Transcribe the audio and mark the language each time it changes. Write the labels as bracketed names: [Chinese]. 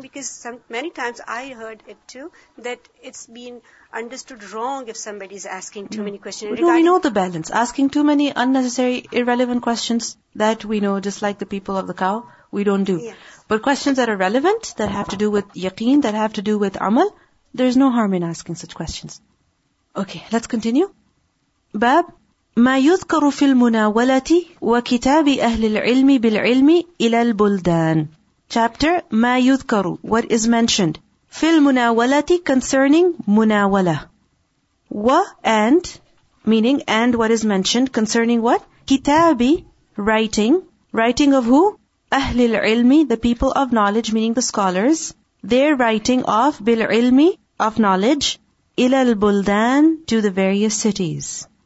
[English] Because many times I heard it too, that it's been understood wrong if somebody is asking too many questions. No, we know the balance. Asking too many unnecessary, irrelevant questions, that we know, just like the people of the cow, we don't do. Yes. But questions that are relevant, that have to do with yaqeen, that have to do with amal, there's no harm in asking such questions. Okay, let's continue. Bab, [Arabic] ما يذكر في المناولة وكتاب أهل العلم بالعلم إلى البلدان. [English] Chapter, [Arabic] ما يذكر, [English] what is mentioned. [Arabic] في المناولة, [English] concerning [Arabic] مناولة. [English] و, and, meaning, and what is mentioned, concerning what? كتابي, writing. Writing of who? Ahli al-ilmi, the people of knowledge, meaning the scholars. Their writing of bil-ilmi, of knowledge. Ila al-buldan, to the various cities.